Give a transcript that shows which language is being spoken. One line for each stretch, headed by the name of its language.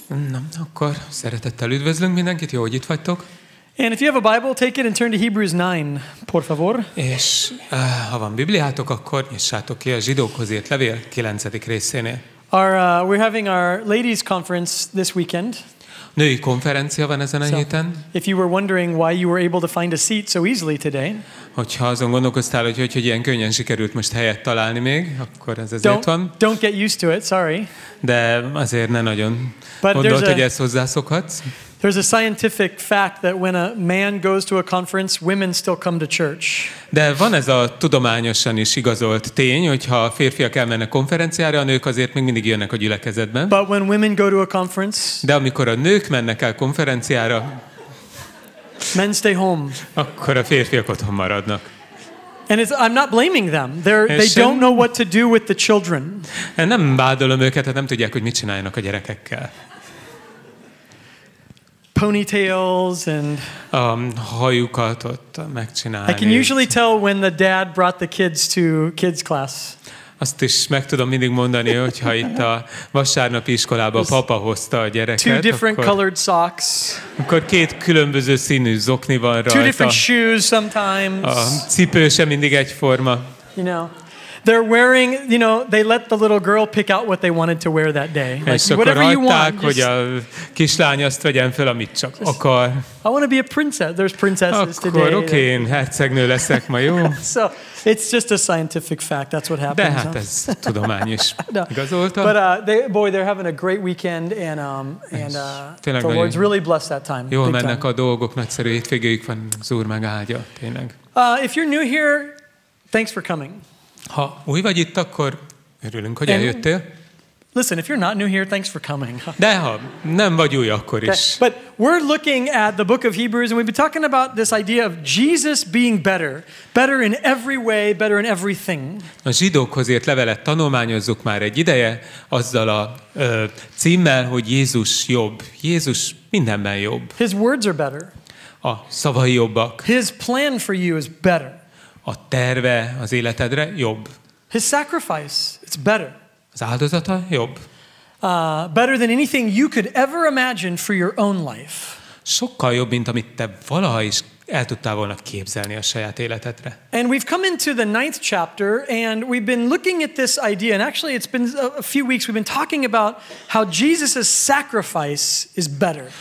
Hungarian: Na, akkor szeretettel üdvözlünk mindenkit, jó, hogy itt vagytok.
English: And if you have a Bible, take it and turn to Hebrews 9,
Spanish: por favor.
Hungarian: És ha van Bibliátok, akkor nyissátok ki a zsidókhoz írt levél 9. részénél.
English: We're having our ladies conference this weekend.
Hungarian: Női konferencia van ezen a héten.
English: If you were wondering why you were able to find a seat so easily today.
Hungarian: Hogyha azon gondolkoztál, hogy ilyen könnyen sikerült most helyet találni még, akkor ez ezért van.
English: Don't get used to it, sorry.
Hungarian: De azért ne nagyon. But gondolt, hogy ezt hozzászokhatsz.
English: There's a scientific fact that when a man goes to a conference, women still come to church.
Hungarian: De van ez a tudományosan is igazolt tény, hogyha a férfiak elmennek konferenciára, a nők azért még mindig jönnek a gyülekezetben.
English: But when women go to a conference,
Hungarian: de amikor a nők mennek el konferenciára,
English: men stay home.
Hungarian: Akkor a férfiak otthon maradnak.
English: And I'm not blaming them. They don't know what to do with the children.
Hungarian: Én nem bádolom őket, hát nem tudják, hogy mit csináljanak a gyerekekkel.
English: Ponytails and
Hungarian: hajukat ott megcsinálni.
English: I can usually tell when the dad brought the kids to kids class.
Hungarian: Azt is meg tudom mindig mondani, hogyha itt a vasárnapi iskolába a papa hozta a gyereket.
English: Two different colored socks.
Hungarian: Akkor két különböző színű zokni van rajta.
English: Two different shoes sometimes.
Hungarian: A cipő sem mindig egyforma.
English: You know. They're wearing, you know, they let the little girl pick out what they wanted to wear that day. Like, whatever you want.
Hungarian: Hogy a kislány azt vegyen fel, amit csak akar.
English: I want to be a princess. There's princesses
Hungarian: akkor,
English: today.
Hungarian: Akkor oké, én hercegnő leszek ma, jó?
English: So, it's just a scientific fact. That's what happens.
Hungarian: De hát ez tudomány is. No. Igazolta?
English: But they're having a great weekend and the Lord's really blessed that time.
Hungarian: Jól mennek a dolgok, nagyszerű hétvégéjük van, az Úr megáldja, tényleg.
English: If you're new here, thanks for coming.
Hungarian: Ha új vagy itt, akkor örülünk, hogy eljöttél.
English: Listen, if you're not new here, thanks for coming.
Hungarian: De ha nem vagy új, akkor is.
English: Okay. But we're looking at the book of Hebrews, and we've been talking about this idea of Jesus being better. Better in every way, better in everything.
Hungarian: A zsidókhoz írt levelet tanulmányozzuk már egy ideje, azzal a címmel, hogy Jézus jobb. Jézus mindenben jobb.
English: His words are better.
Hungarian: A szavai jobbak.
English: His plan for you is better.
Hungarian: A terve az életedre jobb.
English: His sacrifice, it's better.
Hungarian: Az áldozata jobb.
English: Better than anything you could ever imagine for your own life.
Hungarian: Sokkal jobb, mint amit te valaha is el tudtál volna képzelni a saját életedre.
English: And we've come into the ninth chapter and we've been looking at this idea, and actually it's been a few weeks we've been talking about how Jesus's sacrifice is better.